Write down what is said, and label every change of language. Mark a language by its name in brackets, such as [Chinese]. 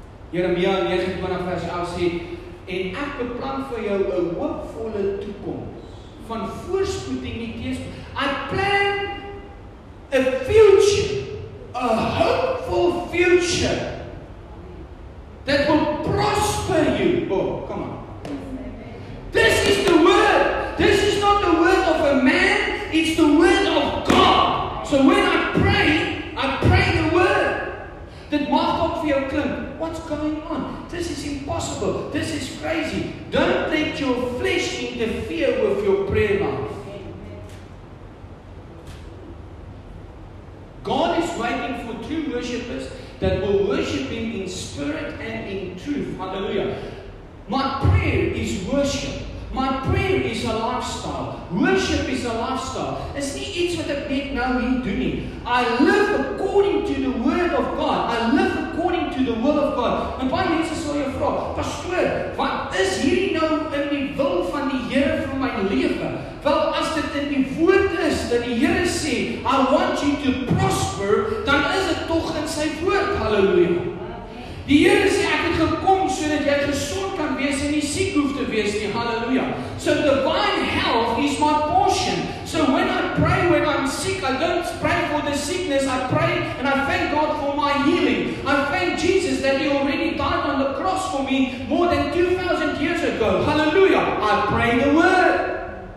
[Afrikaans] Jeremia 29 vers 11 sê, en ek beplan vir jou 'n hoopvolle toekoms, van voorspoed en nie teëspoed. [English] I plan a future, a hopeful future, that will prosper you. Oh, come on. This is the word. This is not the word of a man, it's the word of God. So when I pray the word, that [Afrikaans] mag op vir jou klink. [English] What's going on? This is impossible. This is crazy. Don't let your flesh interfere with your prayer life. God is waiting for true worshippers that will worship Him in spirit and in truth. Hallelujah. My prayer is worship. My prayer is a lifestyle. Worship is a lifestyle. It's not [Afrikaans] iets wat ek net nou hier doen nie. [English] I live according to the word of God. I live according to the will of God. [Afrikaans] En baie mense sal jou vra, pastoor, wat is hierdie nou in die wil van die Here vir my lewe? Wel, as dit in die woord is dat die Here sê, [English] I want you to prosper, [Afrikaans] dan is dit tog in sy woord. Hallelujah. Die Here sê, ek het gekom sodat jy gesond kan wees en nie siek hoef te wees nie. [English] Hallelujah. So divine health is my portion. So when I pray when I'm sick, I don't pray for the sickness. I pray and I thank God for my healing. I thank Jesus that He already died on the cross for for me more than 2,000 years ago. Hallelujah. I pray the word.